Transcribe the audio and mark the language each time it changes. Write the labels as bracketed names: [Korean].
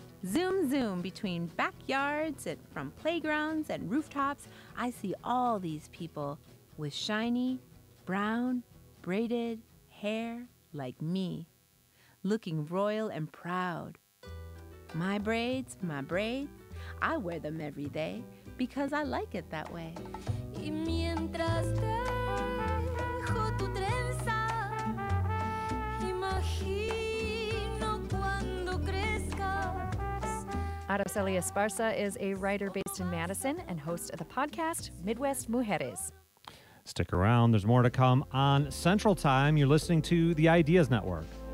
[English] Zoom, zoom, between backyards and from playgrounds and rooftops, I see all these people with shiny, brown, braided hair like me, looking royal and proud. My braids, I wear them every day because I like it that way. [Spanish] Y mientras dejo tu trenza, imagino cuando crezcas. [English] Araceli Esparza is a writer based in Madison and host of the podcast Midwest Mujeres. Stick around. There's more to come on Central Time. You're listening to the Ideas Network.